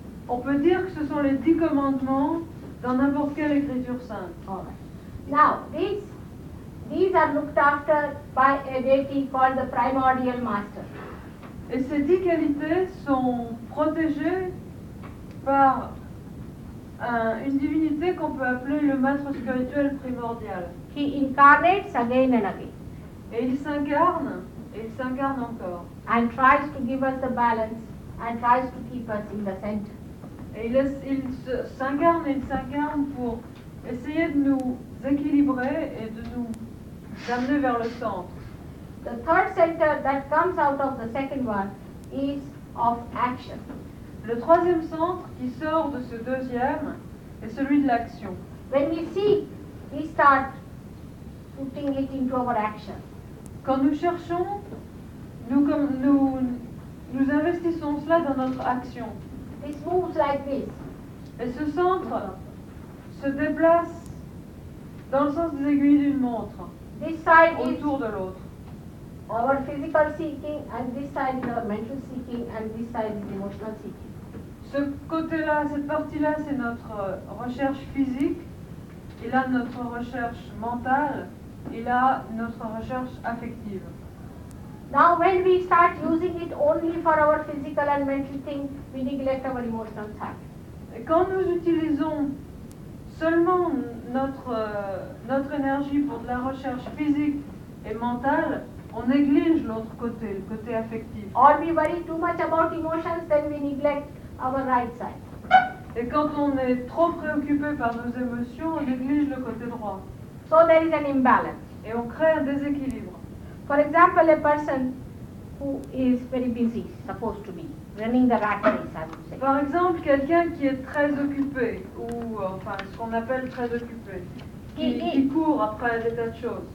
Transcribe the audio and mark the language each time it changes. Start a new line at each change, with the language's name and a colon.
French: On peut dire que ce sont les 10 commandements dans n'importe quelle écriture sainte.
English: Alright. Now, these are looked after by a deity called the primordial master.
French: Et ces 10 qualités sont protégées par une divinité qu'on peut appeler le maître spirituel primordial.
English: He incarnates again and again.
French: Et il s'incarne, et il s'incarne encore.
English: And tries to give us the balance, and tries to keep us in the center.
French: Et il s'incarne pour essayer de nous équilibrer et de nous amener vers le centre.
English: The third center that comes out of the second one is of action.
French: Le troisième centre qui sort de ce deuxième est celui de l'action.
English: When we seek, we start putting it into our action.
French: Quand nous cherchons, nous investissons cela dans notre action.
English: It moves like this.
French: Et ce centre se déplace dans le sens des aiguilles d'une montre.
English: This side
French: autour de l'autre.
English: Our physical seeking and this side is our mental seeking and this side is emotional seeking.
French: Ce côté-là, cette partie-là, c'est notre recherche physique, et là, notre recherche mentale, et là, notre recherche affective.
English: Now, when we start using it only for our physical and mental thing, we neglect our emotional side.
French: Et quand nous utilisons seulement notre énergie pour de la recherche physique et mentale, on néglige l'autre côté, le côté affectif.
English: Or we worry too much about emotions, then we neglect our right side.
French: Et quand on est trop préoccupé par nos émotions, on néglige le côté droit.
English: So there is an imbalance.
French: Et on crée un déséquilibre.
English: For example, a person who is very busy, supposed to be, running the rat race, I would say.
French: Par exemple, quelqu'un qui est très occupé, ou enfin, ce qu'on appelle très occupé, qui court après des tas de choses.